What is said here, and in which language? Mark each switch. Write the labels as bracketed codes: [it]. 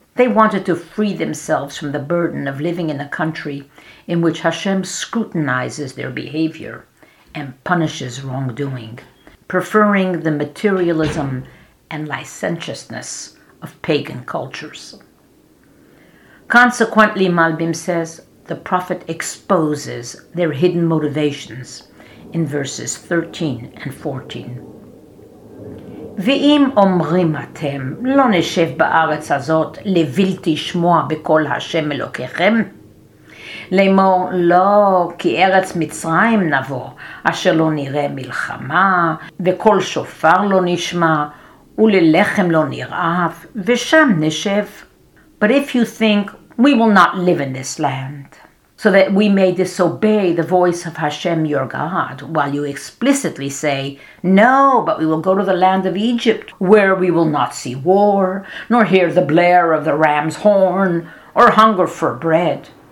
[en] They wanted to free themselves from the burden of living in a country in which Hashem scrutinizes their behavior and punishes wrongdoing, preferring the materialism and licentiousness of pagan cultures. Consequently, Malbim says, the prophet exposes their hidden motivations in verses 13 and 14. [he] ואם אומרים אתם, לא נשב בארץ הזאת לבלתי שמוע בכל השם אלוקיכם, לאמור, לא, כי ארץ מצרים נבוא, אשר לא נראה מלחמה, וכל שופר לא נשמע, וללחם לא נרעב, ושם נשב. [en] But if you think, we will not live in this land, so that we may disobey the voice of Hashem your God, while you explicitly say, no, but we will go to the land of Egypt, where we will not see war, nor hear the blare of the ram's horn, or hunger for bread.